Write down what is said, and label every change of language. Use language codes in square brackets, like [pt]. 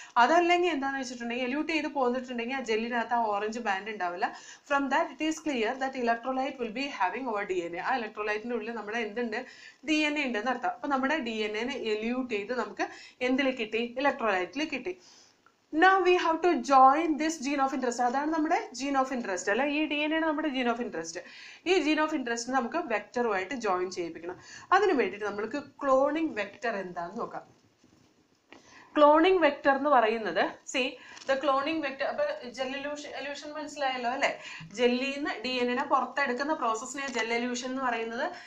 [ml] അതല്ലെങ്കിൽ എന്താണെന്ന് വെച്ചിട്ടുണ്ടെങ്കിൽ എല്യൂട്ട് ചെയ്ത് പോന്നിട്ടുണ്ടെങ്കിൽ ആ ജെല്ലിനകത്ത് ആ ഓറഞ്ച് ബാൻഡ് ഉണ്ടാവില്ല. [en] From that it is clear that electrolyte will be having our D N A. [ml] ആ ഇലക്ട്രോലൈറ്റിൻ്റെ ഉള്ളിൽ നമ്മുടെ എന്തുണ്ട്, ഡി എൻ എ ഉണ്ട് എന്നർത്ഥം. അപ്പം നമ്മുടെ ഡി എൻ എനെ എല്യൂട്ട് ചെയ്ത് നമുക്ക് എന്തിൽ കിട്ടി, ഇലക്ട്രോലൈറ്റിൽ കിട്ടി. [en] Now we have to join this gene of interest. [ml] അതാണ് നമ്മുടെ ജീൻ ഓഫ് ഇൻട്രസ്റ്റ് അല്ലെ, ഈ ഡി എൻ എയാണ് നമ്മുടെ ജീൻ ഓഫ് ഇൻട്രസ്റ്റ്. ഈ ജീൻ ഓഫ് ഇൻട്രസ്റ്റ് നമുക്ക് വെക്ടറുമായിട്ട് ജോയിൻ ചെയ്യിപ്പിക്കണം. അതിന് വേണ്ടിയിട്ട് നമ്മൾക്ക് ക്ലോണിംഗ് വെക്ടർ എന്താന്ന് നോക്കാം. ക്ലോണിംഗ് വെക്ടർ എന്ന് പറയുന്നത് [en] See the cloning vector. [ml] അപ്പൊ ജെല്ലൂഷൻ എല്യൂഷൻ മനസ്സിലായല്ലോ അല്ലെ. ജെല്ലിന്ന് ഡി എൻ എനെ പുറത്തെടുക്കുന്ന പ്രോസസ്സിനെ ജെൽ എല്യൂഷൻ എന്ന് പറയുന്നത്.